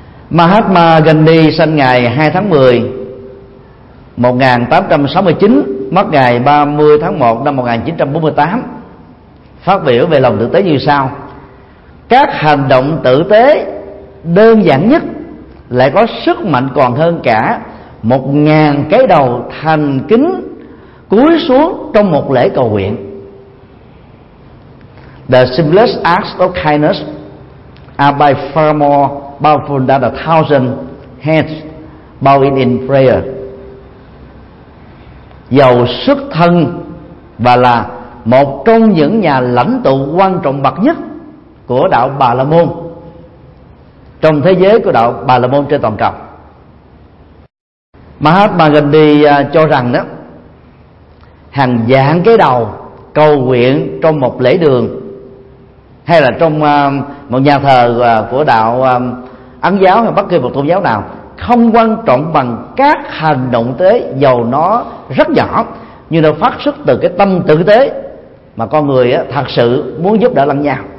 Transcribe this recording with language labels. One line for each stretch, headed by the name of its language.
Vietnamese: Mahatma Gandhi sinh ngày 2 tháng 10 1869, mất ngày 30 tháng 1 năm 1948, phát biểu về lòng tử tế như sau: các hành động tử tế đơn giản nhất lại có sức mạnh còn hơn cả 1000 cái đầu thành kính cúi xuống trong một lễ cầu nguyện.
English: The simplest acts of kindness are by far more powerful than 1000 hands bowing in prayer.
Vietnamese: Dầu xuất thân và là một trong những nhà lãnh tụ quan trọng bậc nhất của đạo Bà La Môn trong thế giới của đạo Bà La Môn trên toàn cầu, Mahatma Gandhi cho rằng đó, hàng vạn cái đầu cầu nguyện trong một lễ đường hay là trong một nhà thờ của đạo Ấn giáo hay bất kỳ một tôn giáo nào không quan trọng bằng các hành động tế, dầu nó rất nhỏ nhưng nó phát xuất từ cái tâm tử tế mà con người thật sự muốn giúp đỡ lẫn nhau.